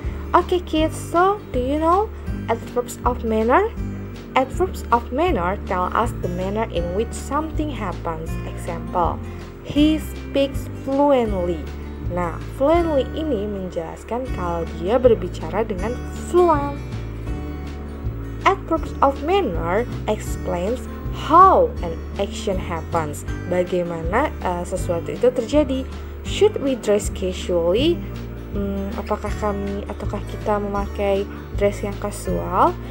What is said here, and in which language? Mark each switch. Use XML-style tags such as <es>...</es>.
<en>Okay, kids, so do you know adverbs of manner? Adverbs of manner tell us the manner in which something happens. Example, he speaks fluently.</en> <id>Nah, fluently ini menjelaskan kalau dia berbicara dengan fluent.</id> <en>Adverbs of manner explains how an action happens.</en> <id>Bagaimana sesuatu itu terjadi.</id> <en>Should we dress casually?</en> <id>Apakah kami ataukah kita memakai dress yang casual?</id>